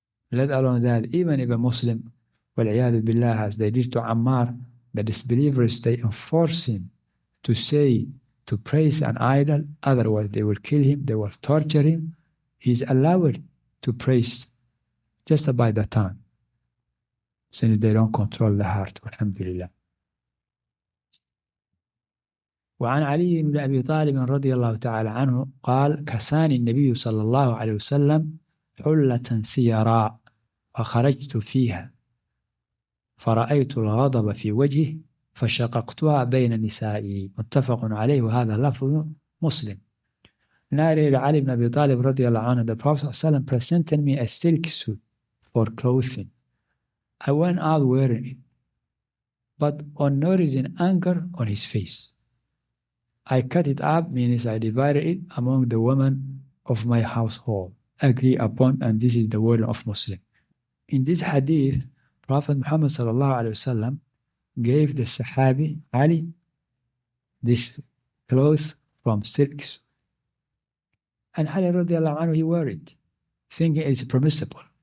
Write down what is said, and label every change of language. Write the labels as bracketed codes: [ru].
[en] Let alone that, even if a Muslim, [ar] وَالْعِيَادُ بِاللَّهِ, [en] as they did to Ammar, the disbelievers, they enforce him to say, to praise an idol, otherwise they will kill him, they will torture him. He's allowed to praise just by the tongue, since they don't control the heart. Alhamdulillah. [ar] وعن علي بن أبي طالب رضي الله تعالى عنه قال كساني النبي صلى الله عليه وسلم حلة سيراء فخرجت فيها فرأيت الغضب في وجهه فشققتها بين نسائي. متفق عليه, وهذا لفظ مسلم. [en] نارل علي بن أبي طالب رضي الله عنه, the Prophet صلى الله عليه وسلم presented me a silk suit for clothing. I went out wearing it, but on noticing anger on his face, I cut it up, meaning I divided it among the women of my household. Agree upon, and this is the word of Muslim. In this hadith, Prophet Muhammad sallallahu alaihi wasallam gave the Sahabi Ali this cloth from silks, and Ali radiallahu anhu, he wore it, thinking it's permissible.